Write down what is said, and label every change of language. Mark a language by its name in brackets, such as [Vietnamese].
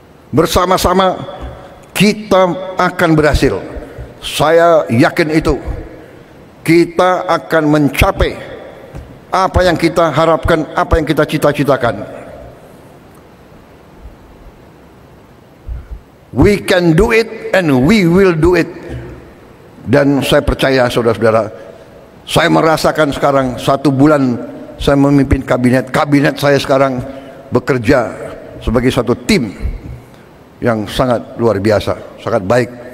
[Indonesian] Bersama-sama kita akan berhasil. Saya yakin itu. Kita akan mencapai apa yang kita harapkan, apa yang kita cita-citakan. [English] We can do it and we will do it. [Indonesian] Dan saya percaya, saudara-saudara, saya merasakan sekarang, satu bulan saya memimpin kabinet, kabinet saya sekarang bekerja sebagai satu tim yang sangat luar biasa, sangat baik.